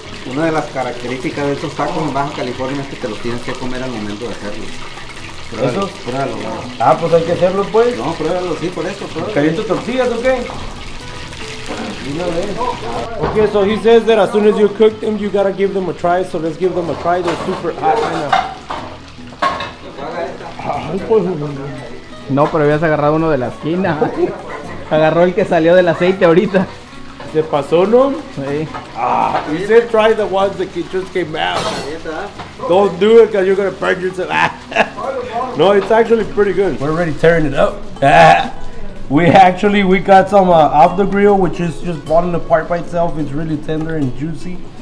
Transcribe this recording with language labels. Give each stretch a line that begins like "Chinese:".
Spanish: Una de las características de estos tacos en Baja California es que te los tienes que comer al momento de hacerlo. ¿Eso? Pruébalo. Ah, pues hay que hacerlo, pues. No, pruébalo, sí, por eso. Pruébalo. ¿Caliento tortillas o qué?
English: Okay, so he says that as soon as you cook them, you gotta give them a try. So let's give them a try. They're super hot right now.
Spanish: No, pero habías agarrado uno de la esquina. Agarró el que salió del aceite ahorita. ¿Se pasó, no? Sí.
English: Ah, he said try the ones that just came out. Don't do it because you're gonna burn yourself. No, it's actually pretty good. We're already tearing it up. We got some off the grill, which is just falling apart by itself. It's really tender and juicy.